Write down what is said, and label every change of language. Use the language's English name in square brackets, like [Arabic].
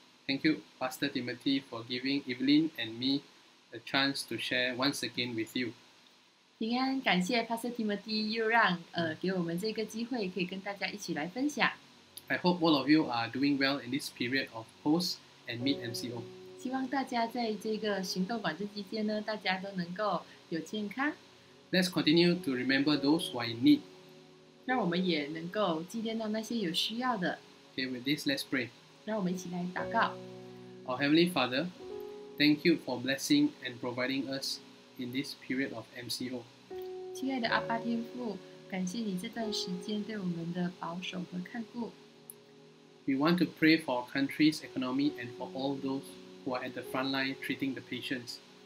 [English] Thank you, Pastor Timothy, for giving Evelyn and me a chance to share once again with you. [Chinese] 平安, 感谢 Pastor Timothy 又让, 给我们这个机会, 可以跟大家一起来分享。 [English] I hope all of you are doing well in this period of post and mid MCO. [Chinese] 希望大家在这个行动管制期间呢, 大家都能够有健康。 [English] Let's continue to remember those who are in need. [Chinese] 让我们也能够纪念到那些有需要的。 [English] Okay, with this, let's pray. [Chinese] 让我们一起来祷告。 [English] Our Heavenly Father, thank you for blessing and providing us in this period of MCO. [Chinese] 亲爱的阿爸天父, 感谢你这段时间对我们的保守和看顾。 [English] We want to pray for our country's economy and for all those who are at the front line treating the patients.